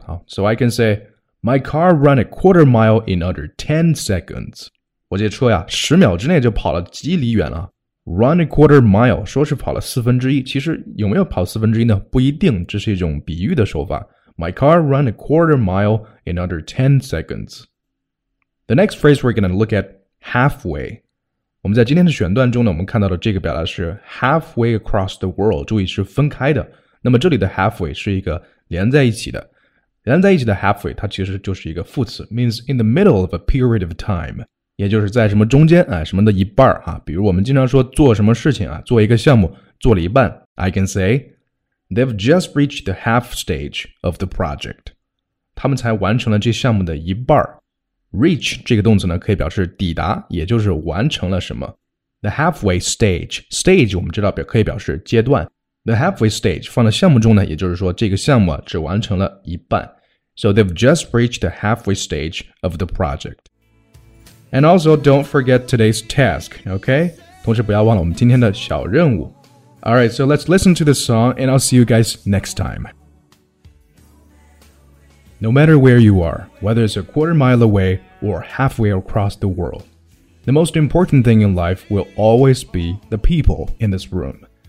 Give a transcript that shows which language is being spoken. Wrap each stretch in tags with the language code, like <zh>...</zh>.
<en>好 ，so I can say my car ran a quarter mile in under 10 seconds.</en> <zh>我这车呀，十秒之内就跑了几里远了。</zh> <en>Run a quarter mile,</en> <zh>说是跑了四分之一，其实有没有跑四分之一呢？不一定，这是一种比喻的手法。</zh> <en>My car ran a quarter mile in under 10 seconds. The next phrase we're going to look at, halfway.</en> <zh>我们在今天的选段中呢，我们看到的这个表达是</zh> <en>halfway across the world.</en> <zh>注意是分开的。那么这里的 halfway 是一个连在一起的。连在一起的 halfway 它其实就是一个副词</zh> <en>means in the middle of a period of time.</en> <zh>也就是在什么中间、啊、什么的一半、啊、比如我们经常说做什么事情、啊、做一个项目做了一半</zh> <en>I can say,They've just reached the half stage of the project.</en> <zh>他们才完成了这项目的一半。Reach 这个动词呢，可以表示抵达，也就是完成了什么。</zh> <en>The halfway stage.</en> <zh>Stage 我们知道可以表示阶段。</zh> <en>The halfway stage</en> <zh>放在项目中呢，也就是说这个项目只完成了一半。</zh> <en>So they've just reached the halfway stage of the project. And also don't forget today's task, okay?</en> <zh>同时不要忘了我们今天的小任务。</zh> <en>Alright, so let's listen to the song and I'll see you guys next time. No matter where you are, whether it's a quarter mile away or halfway across the world, the most important thing in life will always be the people in this room.</en>